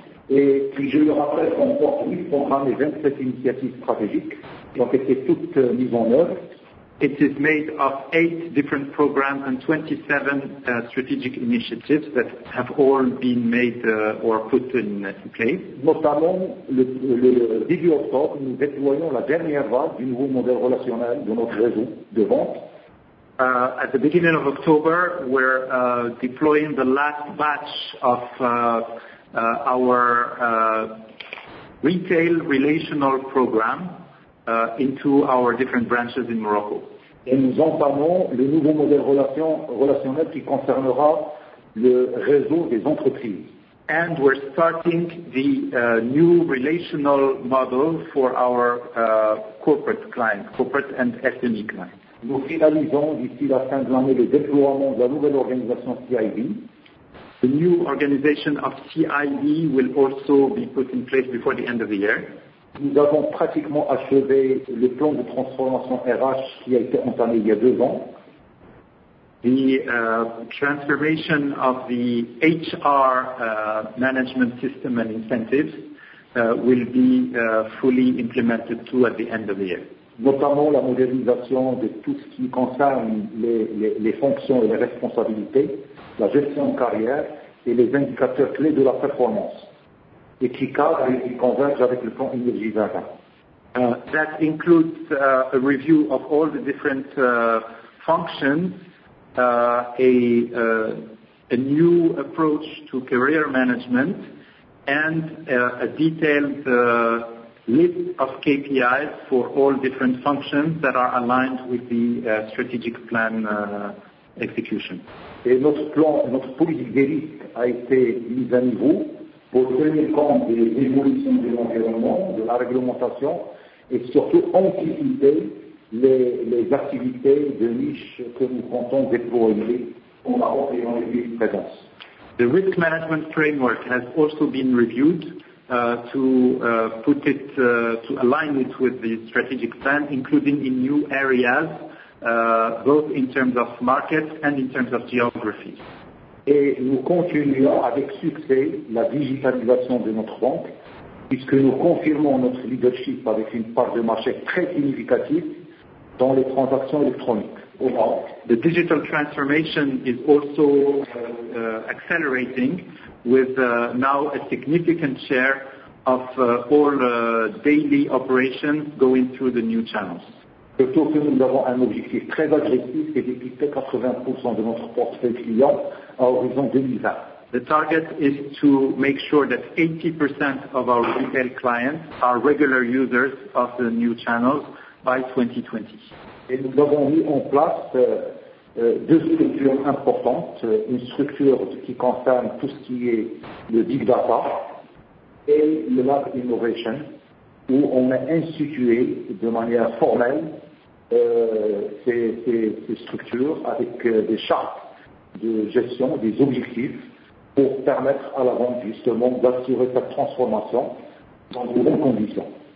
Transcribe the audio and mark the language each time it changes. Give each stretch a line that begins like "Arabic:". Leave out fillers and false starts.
French: Et puis je le rappelle, on porte 8 programmes et 27 initiatives stratégiques qui ont été toutes mises en œuvre.
English: It is made of 8 different programs and 27 strategic initiatives that have all been made or put in place.
French: Notamment, le début octobre, nous déployons la dernière vague du nouveau modèle relationnel de notre réseau de vente.
English: At the beginning of October, we're deploying the last batch of our retail relational program into our different branches in Morocco.
French: Et nous entamons le nouveau modèle relationnel qui concernera le réseau des entreprises.
English: We're starting the new relational model for our corporate clients, corporate and SME clients.
French: Nous finalisons d'ici la fin de l'année le déploiement de la nouvelle organisation CIB.
English: The new organization of CIB will also be put in place before the end of the year.
French: Nous avons pratiquement achevé le plan de transformation RH qui a été entamé il y a deux ans.
English: The transformation of the HR management system and incentives will be fully implemented too at the end of the year.
French: Notamment la modernisation de tout ce qui concerne les fonctions et les responsabilités, la gestion de carrière et les indicateurs clés de la performance. Et qui cadre et qui converge avec le plan Énergie 2020.
English: That includes a review of all the different functions, a new approach to career management, and a detailed list of KPIs for all different functions that are aligned with the strategic plan execution.
French: Et notre politique des risques a été mise à niveau pour tenir compte des évolutions de l'environnement, de la réglementation, et surtout anticiper les activités de niche que nous comptons déployer pour la région de présence.
English: The risk management framework has also been reviewed to align it with the strategic plan, including in new areas, both in terms of market and in terms of geography.
French: Et nous continuons avec succès la digitalisation de notre banque, puisque nous confirmons notre leadership avec une part de marché très significative dans les transactions électroniques.
English: The digital transformation is also accelerating with now a significant share of all daily operations going through the new channels.
French: Surtout que nous avons un objectif très agressif et d'équiper 80% de notre portefeuille client à horizon 2020.
English: The target is to make sure that 80% of our retail clients are regular users of the new channels by 2020.
French: Et nous avons mis en place deux structures importantes, une structure qui concerne tout ce qui est le big data et le lab innovation, où on a institué de manière formelle ces structures avec des chartes de gestion, des objectifs pour permettre à la banque justement d'assurer sa transformation dans de bonnes conditions.